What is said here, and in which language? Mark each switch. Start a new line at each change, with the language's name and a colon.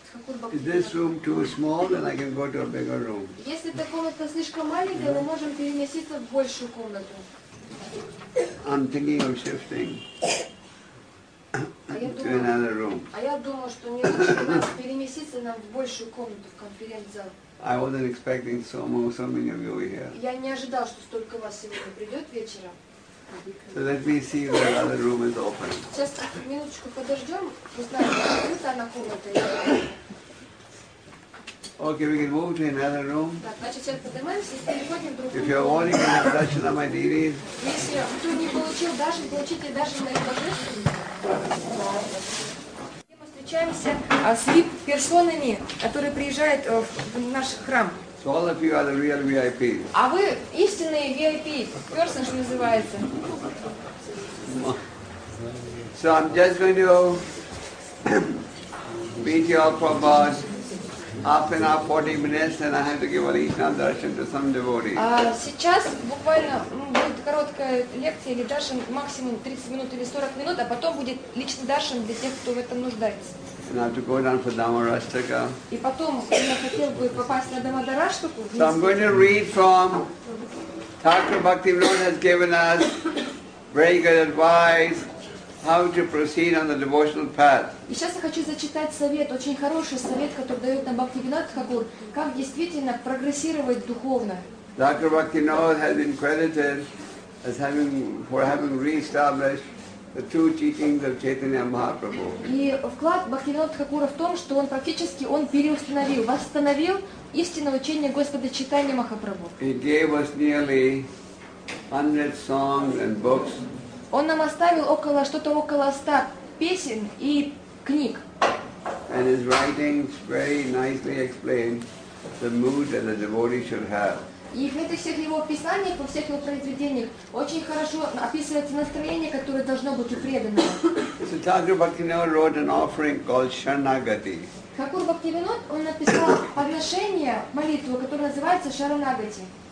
English: Thakur Bhaktivinoda.
Russian: Если эта комната слишком маленькая, мы можем переместиться в большую комнату.
English: I'm thinking of shifting to another room.
Russian: А я думаю, что мне нужно переместиться нам в большую комнату, в конференц-зал.
English: I wasn't expecting so many of you here.
Russian: Я не ожидал, что столько вас сегодня придет вечером.
English: So let me see if the other room is open.
Russian: Сейчас минуточку подождем, узнаем, открыта она комната или нет.
English: Okay, we can move to another room.
Russian: Так, значит, сейчас поднимаемся и переходим в другую.
English: If you're wanting an introduction of my deities.
Russian: Если кто не получил даже, получите даже мои благословения. Мы встречаемся с VIP-персонами, которые приезжают в наш храм.
English: So all of you are the real VIP.
Russian: А вы истинные VIP, person, что называется.
English: So I'm just going to meet you all for about half an hour, 40 minutes, and I have to give a Lishnam Darshan to some devotees.
Russian: Сейчас буквально будет короткая лекция или даршан, максимум 30 минут или 40 минут, а потом будет личный даршан для тех, кто в этом нуждается.
English: And I have to go down for Дамарастака.
Russian: И потом я хотел бы попасть на Дамадараштаку.
English: So I'm going to read from Thakur Bhaktivinoda has given us very good advice how to proceed on the devotional path.
Russian: И сейчас я хочу зачитать совет, очень хороший совет, который дает нам Бхактивинод Тхакур, как действительно прогрессировать духовно.
English: Thakur Bhaktivinoda has been credited as having for having re-established the two teachings of Chaitanya Mahaprabhu.
Russian: И вклад Бхактивинода Тхакура в том, что он практически он переустановил, восстановил истинное учение Господа Чайтаньи Махапрабху.
English: He gave us nearly 100 songs and books.
Russian: Он нам оставил около что-то около 100 песен и книг.
English: And his writings very nicely explain the mood that a devotee should have.
Russian: И в этих всех его писаниях, во всех его произведениях очень хорошо описывается настроение, которое должно быть у преданного.
English: So Thakur Bhaktivinoda wrote an offering called Sharanagati.
Russian: Thakur Bhaktivinoda, он написал подношение, молитву, которая называется Sharanagati.